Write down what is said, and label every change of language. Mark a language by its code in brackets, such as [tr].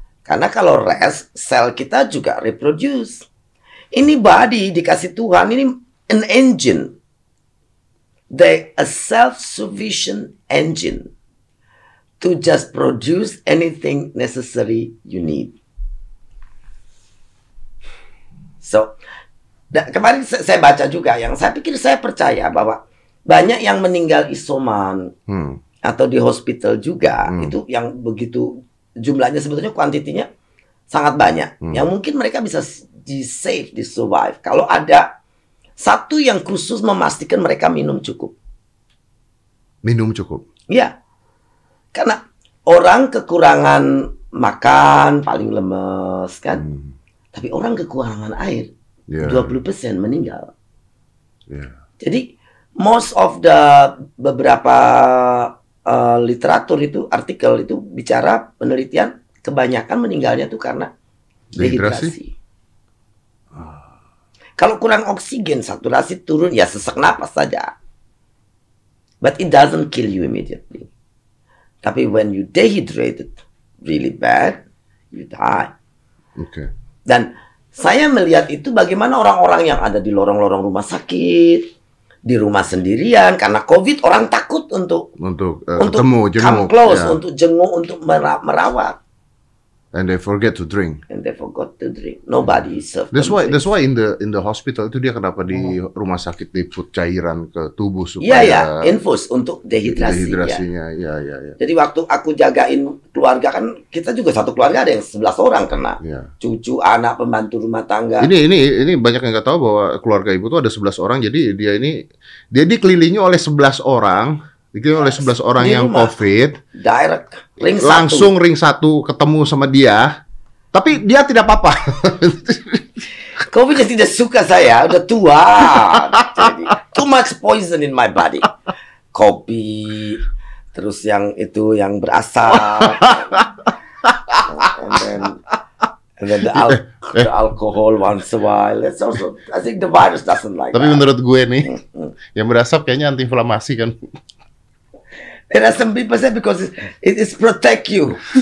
[id] Karena kalau [en] rest, [id] sel kita juga [en] reproduce. [id] Ini [en] body [id] dikasih Tuhan, ini [en] an engine. they a self-sufficient engine to just produce anything necessary you need. [id] So, kemarin saya baca juga yang saya pikir saya percaya bahwa banyak yang meninggal isoman atau di [en] hospital [id] juga itu yang begitu jumlahnya sebetulnya kuantitinya sangat banyak yang mungkin mereka bisa di [en] save, [id] di [en] survive [id] kalau ada satu yang khusus memastikan mereka minum cukup. Minum cukup? Iya. Karena orang kekurangan makan paling lemes kan. Tapi orang kekurangan air 20% meninggal. Jadi [en] most of the [id] beberapa literatur itu, artikel itu bicara penelitian kebanyakan meninggalnya itu karena dehidrasi. Kalau kurang oksigen, saturasi turun, ya sesak napas saja. [en] But it doesn't kill you immediately. [id] Tapi [en] when you dehydrated really bad, you die. Okay. [id] Dan saya melihat itu bagaimana orang-orang yang ada di lorong-lorong rumah sakit, di rumah sendirian, karena COVID orang takut untuk ketemu, untuk jenguk, untuk merawat. [en] And they forget to drink. Nobody served. That's why in the hospital [id] itu dia kenapa di rumah sakit diput cairan ke tubuh supaya infus untuk dehidrasi. Dehidrasinya, ya. Jadi waktu aku jagain keluarga kan kita juga satu keluarga ada yang 11 orang kena. [en] Yeah. [id] Cucu, anak, pembantu rumah tangga. Ini banyak yang nggak tahu bahwa keluarga ibu tuh ada 11 orang. Jadi dia dikelilingi oleh 11 orang. Dikirim oleh 11 orang yang COVID. [en] Direct. Ring [id] langsung Ring satu ketemu sama dia. Tapi dia tidak apa-apa. COVID tidak suka saya. Udah tua. Jadi, [en] too much poison in my body. [id] Kopi. Terus yang itu yang berasap. [en] And then the alcohol once a while. It's also, I think the virus doesn't like [id] tapi [en] that. [id] Menurut gue nih. Yang berasap kayaknya antiinflamasi kan. [en] There are some people say because it protect you.